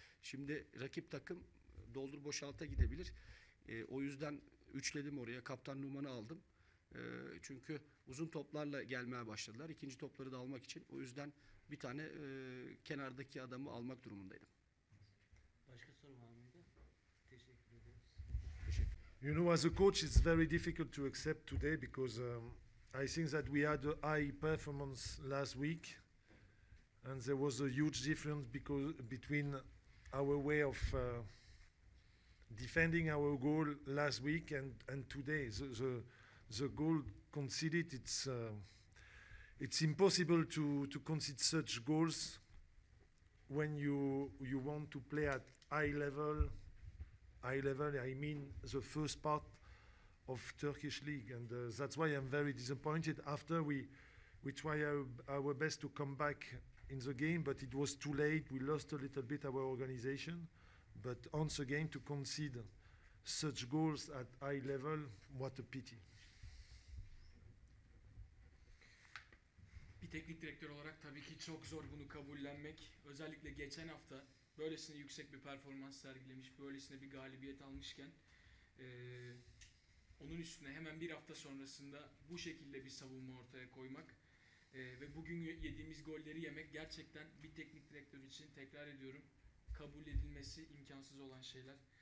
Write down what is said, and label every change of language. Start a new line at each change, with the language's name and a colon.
Turkish: Şimdi rakip takım doldur boşalta gidebilir. O yüzden üçledim oraya kaptan numaranı aldım. Çünkü uzun toplarla gelmeye başladılar ikinci topları da almak için. O yüzden bir tane kenardaki adamı almak durumundaydım. Başka soru var mıydı? Teşekkür ederiz. Teşekkür.
English: You know, as a coach, it's very difficult to accept today because I think that we had a high performance last week and there was a huge difference between our way of defending our goal last week and today. The goal conceded, it's impossible to concede such goals when you want to play at high level. High level, I mean the first part of Turkish league, and that's why I'm very disappointed. After we try our best to come back in the game, but it was too late. We lost a little bit our organization, but once again to concede such goals at high level, what a pity.
Turkish: Bir teknik direktör olarak tabii ki çok zor bunu kabullenmek, özellikle geçen hafta. Böylesine yüksek bir performans sergilemiş, böylesine bir galibiyet almışken onun üstüne hemen bir hafta sonrasında bu şekilde bir savunma ortaya koymak ve bugün yediğimiz golleri yemek gerçekten bir teknik direktör için, tekrar ediyorum, kabul edilmesi imkansız olan şeyler.